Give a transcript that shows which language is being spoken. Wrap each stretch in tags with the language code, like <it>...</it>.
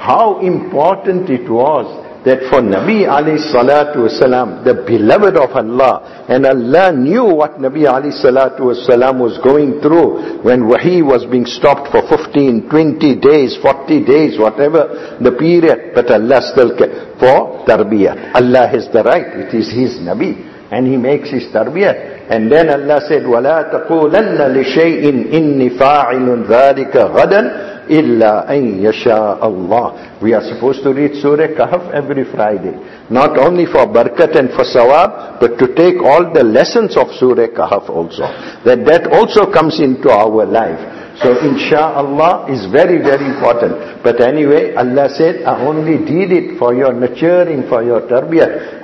<en>How important it was that for Nabi alayhi salatu wasalam, the beloved of Allah, and Allah knew what Nabi alayhi salatu wasalam was going through when wahi was being stopped for 15, 20 days, 40 days, whatever the period, but Allah still kept for tarbiyat. Allah has the right, it is His Nabi, and He makes His tarbiyat.</en> <ar>And then Allah said, وَلَا تَقُولَنَّ لِشَيْءٍ إِنِّي فَاعِلٌ ذَلِكَ غَدًا إِلَّا أَن يَشَاءَ اللَّهِ.</ar> <en>We are supposed to read Surah Kahf every Friday. Not only for barakat and for sawab, but to take all the lessons of Surah Kahf also. That also comes into our life. So insha'Allah is very, very important. But anyway, Allah said, I only did it for your nurturing, for your tarbiyah.</en>